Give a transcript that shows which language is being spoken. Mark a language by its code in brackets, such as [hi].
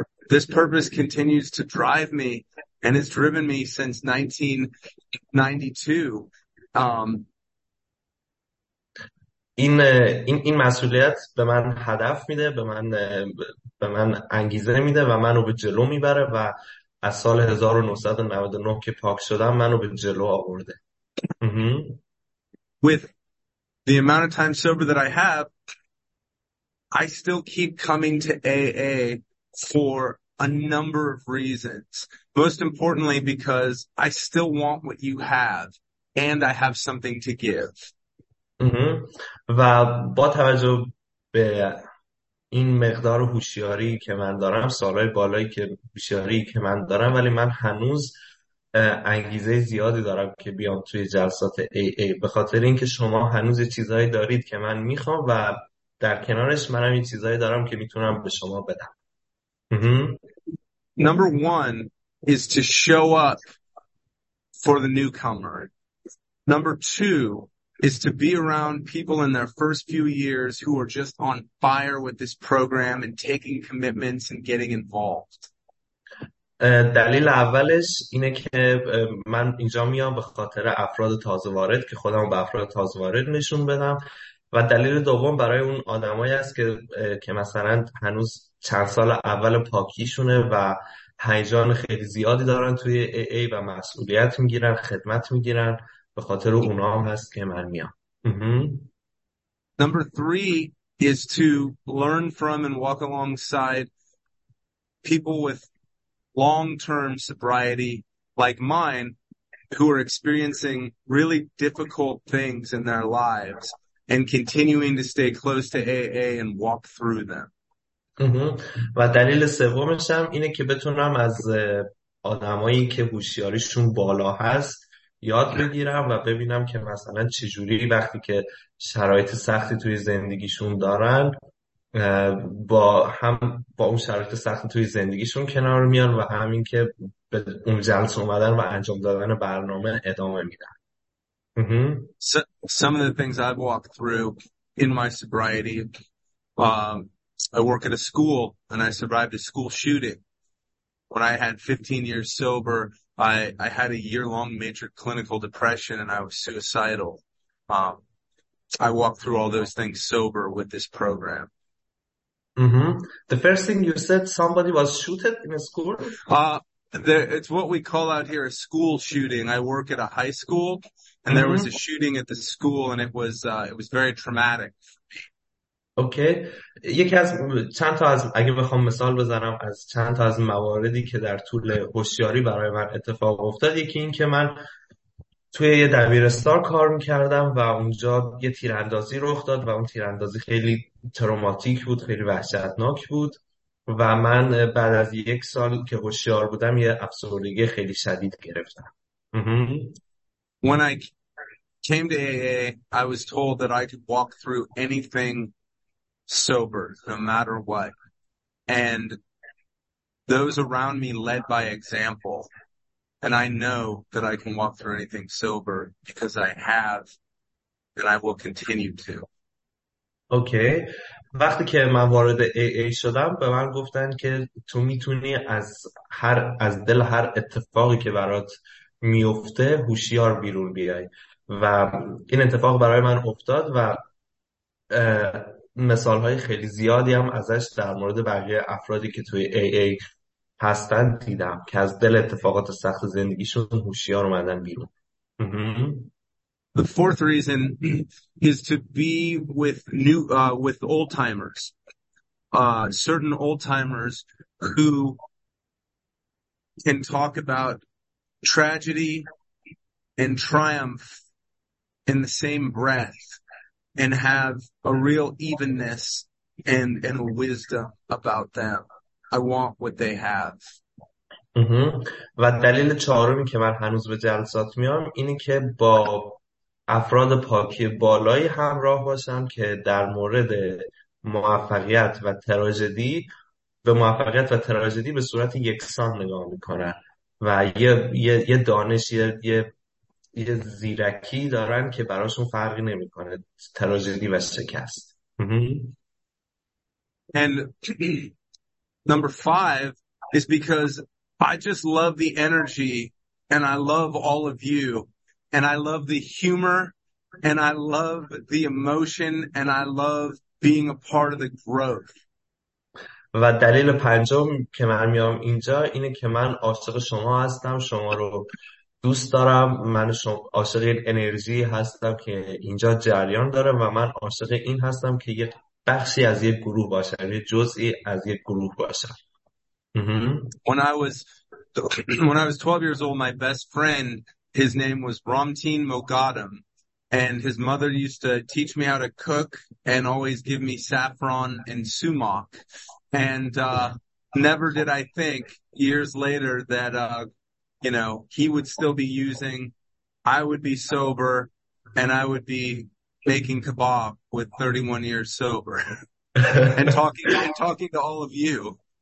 [en] This purpose continues to drive me and it's driven me since 1992. [fa] این مسئولیت به من هدف میده، به من انگیزه میده و منو به جلو میبره و از سال 1999 که پاک شدم منو به جلو آورده. [en] With the amount of time sober that I have, I still keep coming to AA for a number of reasons. Most importantly because I still want what you have and I have something to give. [fa] و با توجه به این مقدار هوشیاری که من دارم، سالهای بالایی که هوشیاری که من دارم، ولی من هنوز انگیزه زیادی دارم که بیام توی جلسات AA به خاطر اینکه شما هنوز چیزایی دارید که من میخوام و در کنارش منم این چیزایی دارم که میتونم به شما بدم. [en] Number one is to show up for the newcomer. Number two is to be around people in their first few years who are just on fire with this program and taking commitments and getting involved. [fa] دلیل اولش اینه که من اینجا میام به خاطر افراد تازه وارد که خودم به افراد تازه وارد نشون بدم و دلیل دوم برای اون آدمایی است که مثلا هنوز چند سال اول پاکیشونه و هیجان خیلی زیادی دارن توی AA و مسئولیت میگیرن، خدمت میگیرن، به خاطر اونا هم هست که من میام. [en] Number three is to learn from and walk alongside people with long-term sobriety like mine who are experiencing really difficult things in their lives and continuing to stay close to AA and walk through them. [fa] و دلیل سومش هم اینه که بتونم از آدمایی که هوشیاریشون بالا هست یاد بگیرم و ببینم که مثلا چجوری وقتی که شرایط سختی توی زندگیشون دارن با اون شرایط سختی توی زندگیشون کنار میان و همین که به اون جلسه اومدن و انجام دادن برنامه ادامه میدن. [en] Some of the things I've walked through in my sobriety, I work at a school and I survived a school shooting. When I had 15 years sober, I had a year-long major clinical depression and I was suicidal. I walked through all those things sober with this program. The first thing you said, somebody was shooted in a school. It's what we call out here a school shooting. I work at a high school, and there was a shooting at the school, and it was very traumatic. [fa] اوکی یکی از چند تا از اگه بخوام مثال بزنم از چند تا از مواردی که در طول هوشیاری برای من اتفاق افتاد، یکی این که من توی یه دبیرستان کار میکردم و اونجا یه تیراندازی رخ داد و اون تیراندازی خیلی تروماتیک بود، خیلی وحشتناک بود و من بعد از یک سال که هوشیار بودم یه افسردگی خیلی شدید گرفتم. [en] When I came to AA, I was told that I could walk through anything sober, no matter what. And those around me led by example. And I know that I can walk through anything sober because I have, and I will continue to. [fa] اوکی وقتی که من وارد AA شدم به من گفتن که تو میتونی از دل هر اتفاقی که برات میفته هوشیار بیرون بیای و این اتفاق برای من افتاد و مثال های خیلی زیادی هم ازش در مورد بقیه افرادی که توی AA هستن دیدم که از دل اتفاقات سخت زندگیشون هوشیار اومدن بیرون. [en] The fourth reason is to be with new, with old timers, certain old timers who can talk about tragedy and triumph in the same breath and have a real evenness and a wisdom about them. I want what they have. [fa] و دلیل چهارمی که من هنوز به جلسات میام اینه که با افراد پاکی بالایی همراه باشم که در مورد موفقیت و تراژدی به موفقیت و تراژدی به صورت یکسان نگاه میکنن و یه دانش یه زیرکی دارن که براشون فرقی نمیکنه تراژدی و شکست. [en] And number five is because I just love the energy and I love all of you and I love the humor and I love the emotion and I love being a part of the growth. [fa] و دلیل پنجم که من میام اینجا اینه که من عاشق شما هستم، شما رو دوست دارم، من عاشق انرژی هستم که اینجا جریان داره و من عاشق این هستم که یه بخشی از یک گروه باشم، یه جزئی از یک گروه باشم. [en] When I was 12 years old, my best friend, his name was Ramtin Mogadam, and his mother used to teach me how to cook and always give me saffron and sumac. And never did I think years later that you know, he would still be using, I would be sober, and I would be making kebab with 31 years sober and talking to all of you.